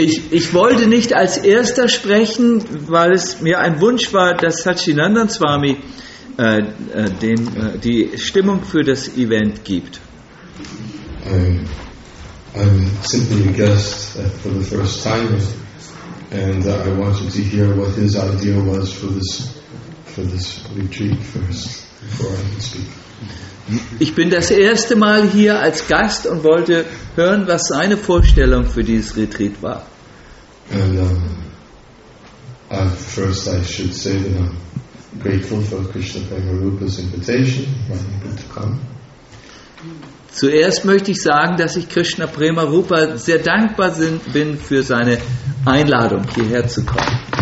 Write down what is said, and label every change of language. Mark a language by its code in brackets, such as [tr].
[de] Ich wollte nicht als Erster sprechen, weil es mir ein Wunsch war, dass Sachinanda Swami die Stimmung für das Event gibt. [en] I'm simply a guest for the first time, and I wanted to hear what his idea was for this retreat first before I can speak. [de] Ich bin das erste Mal hier als Gast und wollte hören, was seine Vorstellung für dieses Retreat war. [en] And first I should say that I'm grateful for Krishna Prema Rupa's invitation, inviting me to come. [de] Zuerst möchte ich sagen, dass ich Krishna Prema Rupa sehr dankbar bin für seine Einladung, hierher zu kommen.